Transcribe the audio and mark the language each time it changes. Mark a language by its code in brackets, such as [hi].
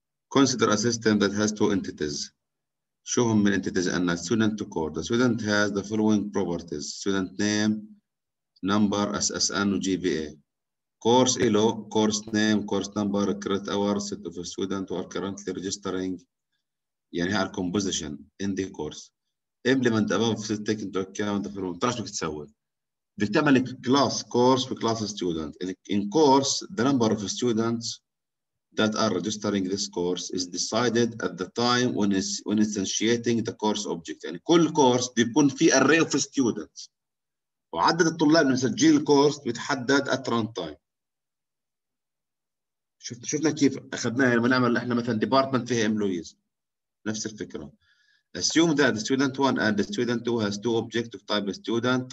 [en] consider a system that has two entities. [ar] شو هم من entities أن student core. [en] The student has the following properties. Student name, number, SSN, GPA. Course ELO, course name, course number, credit hour, set of a student who are currently registering. [ar] يعني هي [en] composition in the course. Implement above to take into account the following. [ar] ترى شو بتسوي؟ بتعمل class course و class student. [en] In course, the number of students that are registering this course is decided at the time when it's initiating the course object. [ar] يعني كل course بيكون فيه [en] array of students. [ar] وعدد الطلاب اللي مسجلين الكورس بيتحدد [en] at runtime. [ar] شفنا كيف اخذناها لما نعمل احنا مثلا ديبارتمنت فيها امبلويز. نفس الفكره. [en] Assume that the student 1 and the student 2 has two objects of type student.